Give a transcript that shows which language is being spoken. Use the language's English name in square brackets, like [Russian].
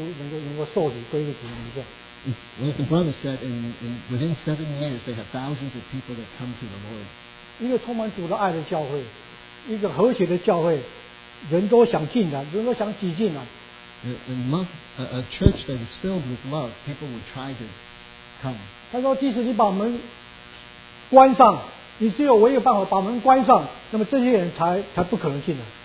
[Chinese] 就像一个弟兄他所说的，就是他们在这几年七年的时间里头，有上千个人能够信耶稣，能够受洗归入主名下。 [English] It's like a brother said, within 7 years, they have thousands of people that come to the Lord. [Chinese] 一个充满主的爱的教会，一个和谐的教会，人都想进来，人都想挤进来。 [English] And love, a church that is filled with love, people will try to come. [Chinese] 他说，即使你把门关上，你只有唯有办法把门关上，那么这些人才不可能进来。